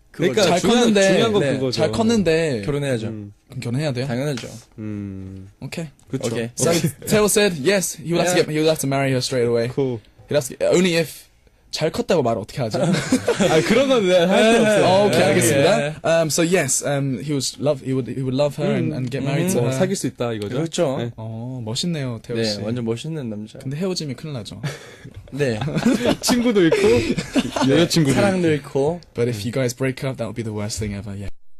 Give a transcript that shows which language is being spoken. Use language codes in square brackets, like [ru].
[ko] 그러니까 잘 컸는데. 중요한 건 네. 그거죠. 잘 컸는데. 결혼해야죠. 결혼해야 돼요? 당연하죠. 오케이. 그쵸. [en] 오케이. So, Tail said, yes, he would have to marry her straight away. Cool. He'd ask, only if, [ko] 잘 컸다고 말을 어떻게 하죠? 아, 그런 건 내가 할 필요 없어요. 오케이, okay, 알겠습니다. Yeah. [en] So, yes, he would love her and get married to her. [ko] 사귈 수 있다, 이거죠? 그렇죠. 네. 멋있네요, 태호 씨. 네, 완전 멋있는 남자. 근데 헤어지면 큰일 나죠. 네. 친구도 잃고, 여자친구도 잃고. 사랑도 잃고. [en] But if you guys break up, that would be the worst thing ever, yeah.